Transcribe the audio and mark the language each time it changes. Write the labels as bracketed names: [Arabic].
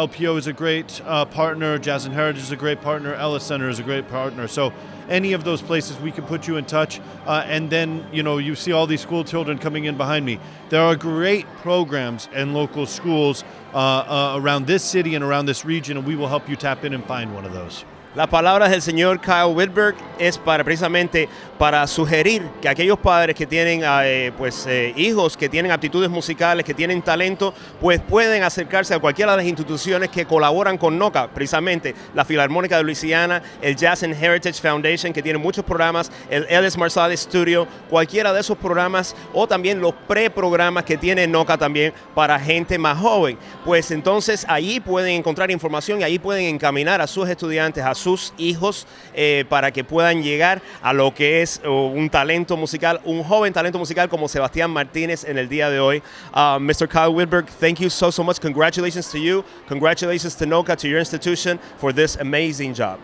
[English] LPO is a great partner, Jazz and Heritage is a great partner, Ellis Center is a great partner. So any of those places, we can put you in touch. And then, you know, you see all these school children coming in behind me. There are great programs and local schools around this city and around this region, and we will help you tap in and find one of those. [Spanish] Las palabras del señor Kyle Wittberg es para sugerir que aquellos padres que tienen hijos, que tienen aptitudes musicales, que tienen talento, pues pueden acercarse a cualquiera de las instituciones que colaboran con NOCCA, precisamente la Filarmónica de Luisiana, el Jazz and Heritage Foundation, que tiene muchos programas, el Ellis Marsalis Studio, cualquiera de esos programas, o también los preprogramas que tiene NOCCA también para gente más joven. Pues entonces ahí pueden encontrar información y ahí pueden encaminar a sus estudiantes, a sus hijos para que puedan llegar a lo que es un talento musical, un joven talento musical como Sebastián Martínez en el día de hoy. [English] Mr. Kyle Whitberg, thank you so, so much. Congratulations to you. Congratulations to NOCCA, to your institution, for this amazing job.